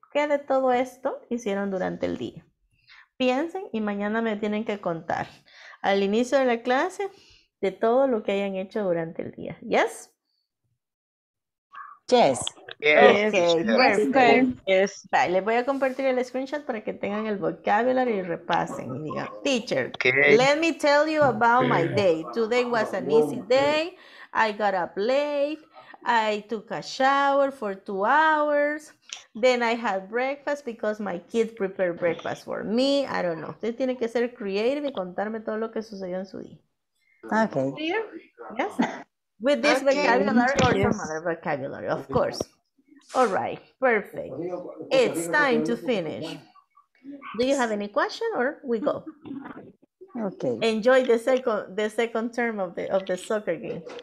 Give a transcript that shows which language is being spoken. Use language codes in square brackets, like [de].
[es] ¿Qué de todo esto hicieron durante el día? Piensen y mañana me tienen que contar. Al inicio de la clase, de todo lo que hayan hecho durante el día. [en] ¿Yes? Yes. Yes. Okay. Yes. Yes. [es] Yes. Les voy a compartir el screenshot para que tengan el vocabulary y repasen. Y digan, [en] teacher, let me tell you about my day. Today was an easy day. I got up late. I took a shower for 2 hours. Then I had breakfast because my kids prepared breakfast for me. I don't know. [es] Usted tiene que ser creative y contarme todo lo que sucedió en su día. [en] Okay. Yes. With this vocabulary or some other vocabulary, of course. All right. Perfect. It's time to finish. Do you have any question or we go? Okay. Enjoy the second term of the soccer game.